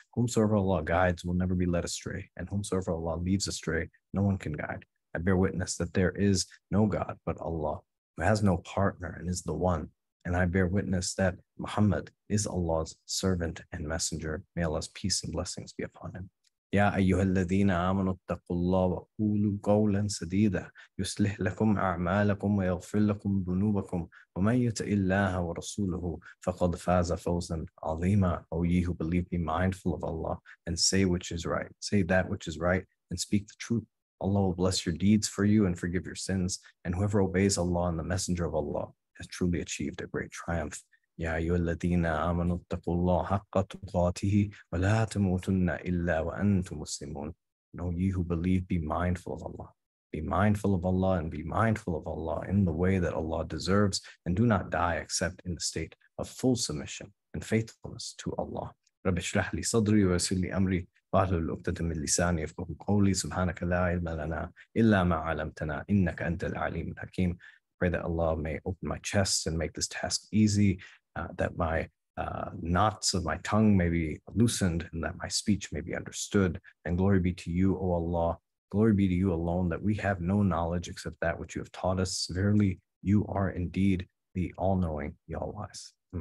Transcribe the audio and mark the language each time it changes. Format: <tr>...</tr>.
<en>Whomsoever Allah guides will never be led astray, and whomsoever Allah leaves astray, no one can guide. I bear witness that there is no God but Allah, who has no partner and is the one. And I bear witness that Muhammad is Allah's servant and messenger. May Allah's peace and blessings be upon him.</en> <ar>يا أيها الذين آمنوا اتقوا الله وقولوا قولا سديدا يصلح لكم أعمالكم ويغفر لكم ذنوبكم ومن يطع الله ورسوله فقد فاز فوزا عظيما.</ar> <en>O ye who believe, be mindful of Allah and say which is right. Say that which is right and speak the truth. Allah will bless your deeds for you and forgive your sins. And whoever obeys Allah and the Messenger of Allah has truly achieved a great triumph.</en> <ar>يا أيها الذين آمنوا اتقوا الله حق تقاته ولا تموتن إلا وأنتم مسلمون.</ar> <en>Know ye who believe, be mindful of Allah. Be mindful of Allah and be mindful of Allah in the way that Allah deserves, and do not die except in the state of full submission and faithfulness to Allah.</en> <ar>رب اشرح لي صدري ويسر لي أمري واحلل عقدة من لساني يفقهوا قولي سبحانك لا علم لنا إلا ما علمتنا إنك أنت العليم الحكيم.</ar> <en>Pray that Allah may open my chest and make this task easy, that my knots of my tongue may be loosened and that my speech may be understood. And glory be to you, O Allah. Glory be to you alone, that we have no knowledge except that which you have taught us. Verily, you are indeed the all-knowing, the all-wise.</en>